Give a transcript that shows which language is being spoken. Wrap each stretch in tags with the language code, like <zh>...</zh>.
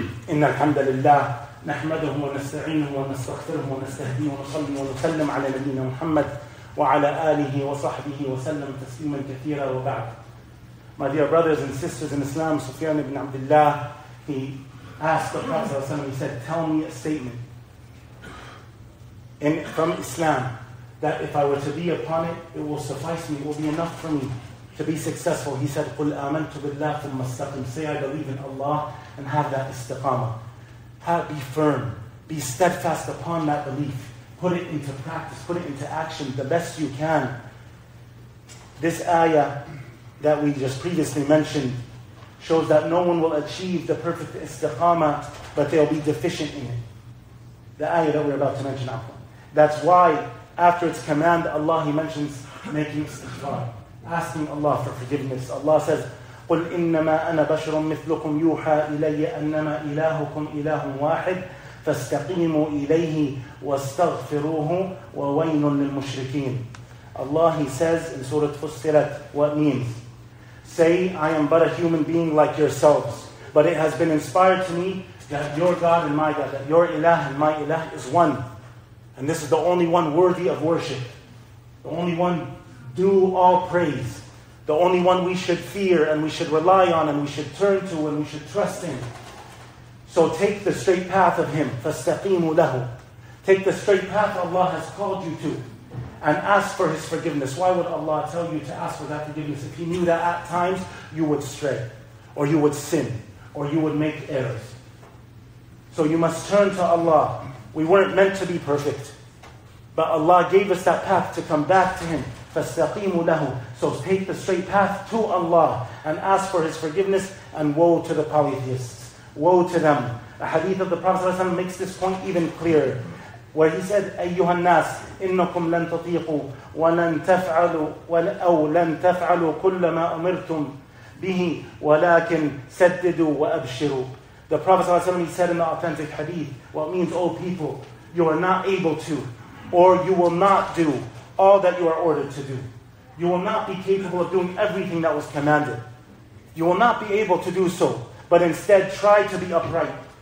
<ar>إن الحمد لله نحمده ونستعينه ونستغفره ونستهديه ونصلي ونسلم على نبينا محمد وعلى آله وصحبه وسلم تسليما كثيرا وبعد.</ar> <en>My dear brothers and sisters in Islam, Sufyan ibn Abdullah, he asked the Prophet</en> <ar>صلى الله عليه وسلم,</ar> <en>he said, tell me a statement from Islam that if I were to be upon it will suffice me, it will be enough for me to be successful. He said,</en> <ar>قُلْ آمَنْتُ بِاللَّهِ ثُمَّ اسْتَقِمْ.</ar> <en>Say, I believe in Allah, and have that istiqamah. Be firm, be steadfast upon that belief. Put it into practice, put it into action the best you can. This ayah that we just previously mentioned shows that no one will achieve the perfect istiqamah, but they'll be deficient in it. The ayah that we're about to mention, that's why after its command, Allah, he mentions making istighfar, asking Allah for forgiveness. Allah says,</en> <ar>قُلْ إِنَّمَا أَنَا بَشْرٌ مِثْلُكُمْ يُوحَى إِلَيَّ أَنَّمَا إِلَهُكُمْ إِلَهٌ وَاحِدٌ فَاسْتَقِيمُوا إِلَيْهِ وَاسْتَغْفِرُوهُ وَوَيْنٌ لِلْمُشْرِكِينَ.</ar> <en>Allah, he says in Surah Fussilat, what means? Say, I am but a human being like yourselves, but it has been inspired to me that your God and my God, that your ilah and my ilah is one. And this is the only one worthy of worship. The only one due all praise. The only one we should fear and we should rely on and we should turn to and we should trust in. So take the straight path of him.</en> <ar>فَاسْتَقِيمُ لَهُ.</ar> <en>Take the straight path Allah has called you to and ask for his forgiveness. Why would Allah tell you to ask for that forgiveness if he knew that at times you would stray or you would sin or you would make errors? So you must turn to Allah. We weren't meant to be perfect, but Allah gave us that path to come back to him.</en> <ar>فَاسْتَقِيمُ لَهُ.</ar> <en>So take the straight path to Allah and ask for his forgiveness. And woe to the polytheists. Woe to them A hadith of the Prophet ﷺ makes this point even clearer, where he said,</en> <ar>أَيُّهَا النَّاسِ إِنَّكُمْ لَنْ تَطِيقُوا وَلَنْ تَفْعَلُوا وَلَوْ لَنْ تَفْعَلُوا كُلَّ مَا أُمِرْتُمْ بِهِ وَلَكِنْ سَدِّدُوا وَأَبْشِرُوا.</ar> <en>The Prophet ﷺ, he said in the authentic hadith, what means, O people, you are not able to, or you will not do all that you are ordered to do. You will not be capable of doing everything that was commanded. You will not be able to do so, but instead try to be upright.</en>